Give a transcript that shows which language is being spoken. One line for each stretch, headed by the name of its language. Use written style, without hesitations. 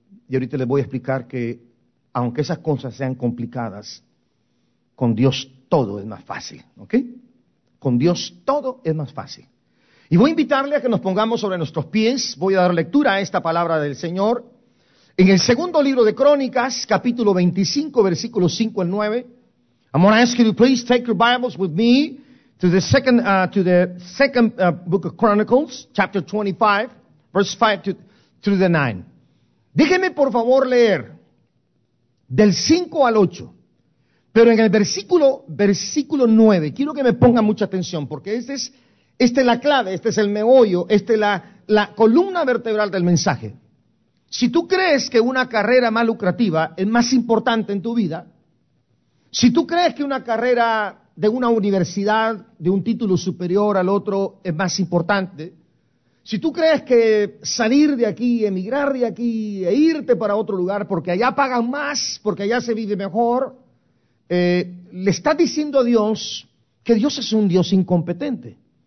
Spanish: Y ahorita les voy a explicar que, aunque esas cosas sean complicadas, con Dios todo es más fácil, ¿ok? Con Dios todo es más fácil. Y voy a invitarle a que nos pongamos sobre nuestros pies. Voy a dar lectura a esta palabra del Señor. En el segundo libro de Crónicas, capítulo 25, versículos 5 al 9.
English: I'm going to ask you to please take your Bibles with me to the second, book of Chronicles, chapter 25, verse 5 to the 9.
Spanish: Déjeme por favor leer del 5 al 8. Pero en el versículo 9, quiero que me ponga mucha atención, porque esta es la clave, este es el meollo, esta es la columna vertebral del mensaje. Si tú crees que una carrera más lucrativa es más importante en tu vida, si tú crees que una carrera de una universidad, de un título superior al otro, es más importante, si tú crees que salir de aquí, emigrar de aquí, e irte para otro lugar, porque allá pagan más, porque allá se vive mejor, le estás diciendo a Dios que Dios es un Dios incompetente,